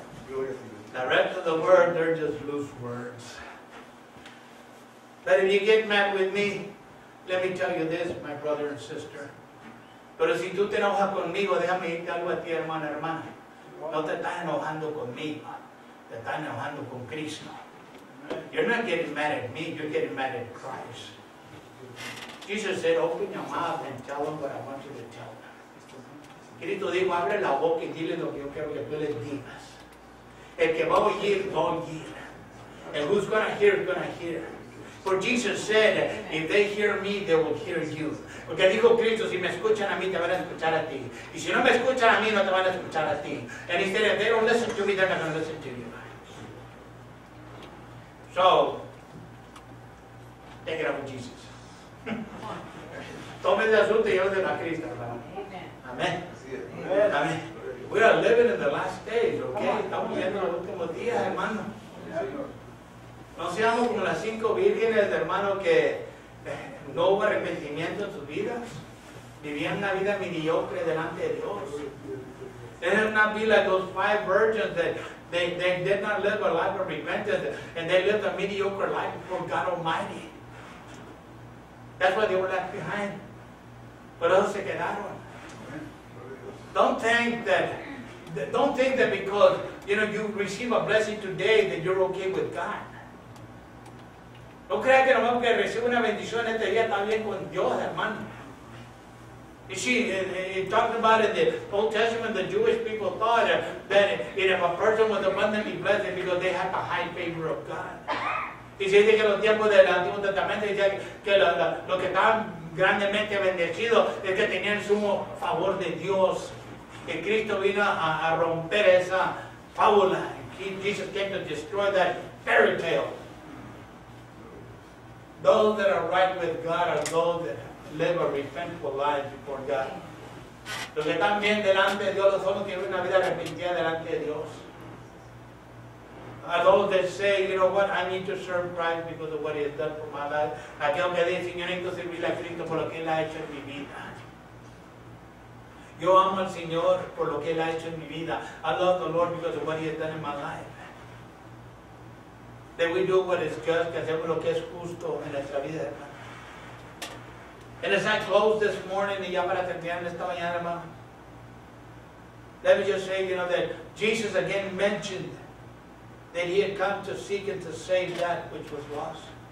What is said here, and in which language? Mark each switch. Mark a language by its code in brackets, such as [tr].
[en] The rest of the word, they're just loose words. But if you get mad with me, let me tell you this, my brother and sister. [es] Pero si tú te enojas conmigo, déjame decirte algo a ti, hermano, hermana. No te estás enojando conmigo. que están amando con Cristo. [en] You're not getting mad at me, you're getting mad at Christ. Jesus said, open your mouth and tell them what I want you to tell them. [es] Cristo dijo, abre la boca y dile lo que yo quiero que tú les digas. El que va a oír, va a oír. [en] And who's going to hear, is going to hear. For Jesus said, if they hear me, they will hear you. [es] Porque dijo Cristo, si me escuchan a mí, te van a escuchar a ti. Y si no me escuchan a mí, no te van a escuchar a ti. [en] And he said, if they don't listen to me, they're not going to listen to you. So, take it up with Jesus. [es] Tome el asunto y llévenlo a Cristo, hermano. Amén. Amén. [en] We are living in the last days, okay? [es] Estamos viviendo los últimos días, hermano. No seamos como las cinco vírgenes, hermano, que no hubo arrepentimiento en sus vidas. Vivían una vida mediocre delante de Dios. [en] They did not be like those five virgins that they did not live a life of repentance and they lived a mediocre life before God Almighty. That's why they were left behind. [es] Por eso se quedaron. [en] Don't think that because you know you receive a blessing today that you're okay with God. [es] No creas que nomás que recibe una bendición este día está bien con Dios, hermano. [en] You see, it talked about in the Old Testament, the Jewish people thought that if a person was abundantly blessed, because they had the high favor of God. [es] Y se dice que los tiempos del Antiguo Testamento decía que los que estaban grandemente bendecidos es que tenían sumo favor de Dios. Y Cristo vino a romper esa fábula. [en] Jesus came to destroy that fairy tale. Those that are right with God are those that live a repentful life before God. [es] Los que están bien delante de Dios, los hombres tienen una vida arrepentida delante de Dios. [en] Are those that say, you know what, I need to serve Christ because of what he has done for my life. [es] Aquel que dice, Señor, necesito servirle a Cristo por lo que él ha hecho en mi vida. Yo amo al Señor por lo que él ha hecho en mi vida. [en] I love the Lord because of what he has done in my life. That we do what is just, [es] que hacemos lo que es justo en nuestra vida, hermano. [en] And as I close this morning, [es] y ya para terminar esta mañana, hermano, [en] let me just say, you know, that Jesus again mentioned that he had come to seek and to save that which was lost.